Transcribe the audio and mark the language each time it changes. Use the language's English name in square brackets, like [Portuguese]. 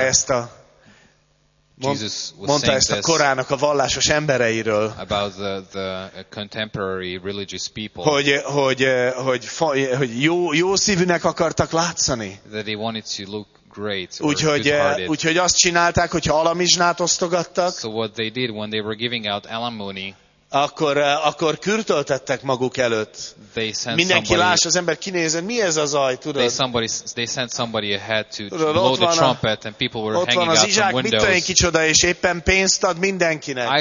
[Hungarian] Ezt a mondta ezt a korának a vallásos embereiről, [English] about the contemporary religious people, [Hungarian] hogy jó szívűnek akartak látszani. [English] That they wanted to look great, [Hungarian] úgyhogy azt csinálták, hogyha alamizsnát osztogattak. [English] So what they did when they were giving out alimony, [Hungarian] akkor kürtöltettek maguk előtt. Mindenki láss, az ember kinézett, mi ez a zaj, tudod? [English] They sent somebody ahead to blow the trumpet and people were hanging out from windows. [Hungarian] Ott van az Izsák, mit kicsoda, és éppen pénzt ad mindenkinek.